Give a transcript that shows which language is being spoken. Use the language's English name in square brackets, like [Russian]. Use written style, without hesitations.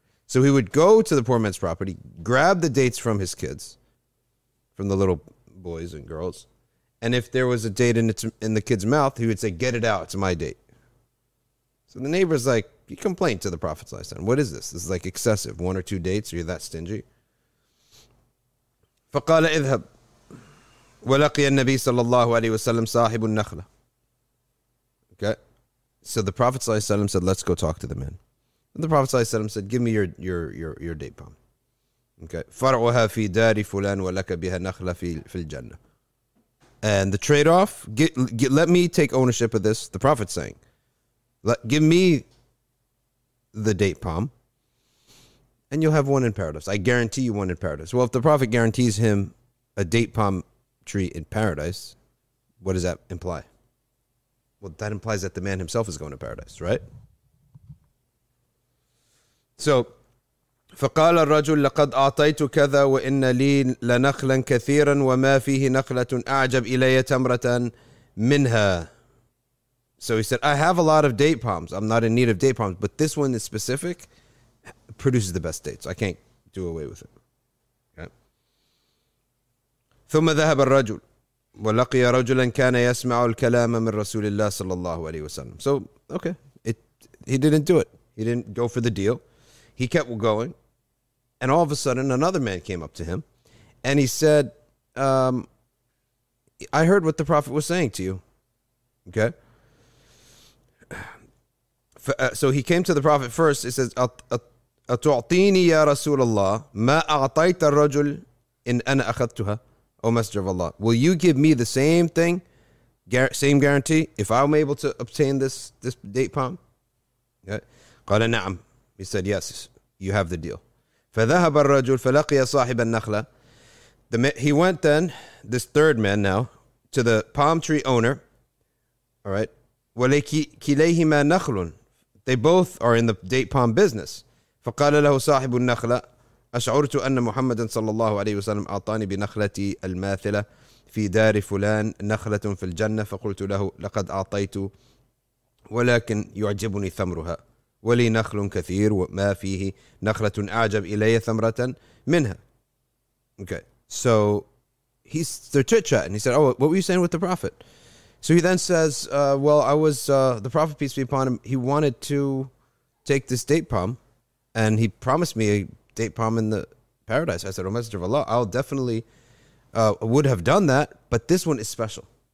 [English] So he would go to the poor man's property, grab the dates from his kids, from the little boys and girls. And if there was a date in the kid's mouth, he would say, get it out, it's my date. So the neighbor's like, he complained to the Prophet ﷺ, what is this? This is like excessive, one or two dates, are you that stingy? [Arabic] فقال اذهب ولقي النبي صلى الله عليه وسلم صاحب النخلة. [English] Okay, so the Prophet [Arabic] صلى الله عليه وسلم [English] said, let's go talk to the man. And the Prophet [Arabic] صلى الله عليه وسلم [English] said, give me your date palm. [Arabic] Okay, فرعها في دار فلان ولك بها نخلة في الجنة. [English] And the trade off, let me take ownership of this. The Prophet saying, give me the date palm, and you'll have one in paradise. I guarantee you one in paradise. Well, if the Prophet guarantees him a date palm tree in paradise, what does that imply? Well, that implies that the man himself is going to paradise, right? [Arabic] So, فقال الرجل لقد أعطيت كذا وإن لي لنخلا كثيرا وما فيه نخلة أعجب إلي تمرة منها. [English] So he said, I have a lot of date palms. I'm not in need of date palms, but this one in specific produces the best dates. I can't do away with it. Okay. [Arabic] ثم ذهب الرجل ولقي رجلا كان يسمع الكلام من رسول الله صلى الله عليه وسلم. [English] So, okay. He didn't do it. He didn't go for the deal. He kept going. And all of a sudden, another man came up to him. And he said, I heard what the Prophet was saying to you. Okay. So he came to the Prophet first. He says, [Arabic] أتعطيني يا رسول الله ما أعطيت الرجل إن أنا أخذتها, [English] O Messenger of Allah. Will you give me the same thing, same guarantee, if I'm able to obtain this date palm? [Arabic] قال نعم. [English] He said, yes, you have the deal. [Arabic] فذهب الرجل فلقي صاحب النخلة. [English] He went then, this third man now, to the palm tree owner. All right. [Arabic] وليكليهما نخل. [English] They both are in the date palm business. [Arabic] فقال له صاحب النخلة أشعرت أن محمد صلى الله عليه وسلم أعطاني بنخلتي الماثلة في دار فلان نخلة في الجنة فقلت له لقد أعطيت ولكن يعجبني ثمرها ولي نخل كثير وما فيه نخلة أعجب إلي ثمرة منها. [English] Okay, so he's their chit chat, and he said, oh, what were you saying with the Prophet? So he then says, well, I was, the Prophet, peace be upon him, he wanted to take this date palm, and he promised me a date palm in the paradise. I said, O Messenger of Allah, I'll definitely would have done that, but this one is special.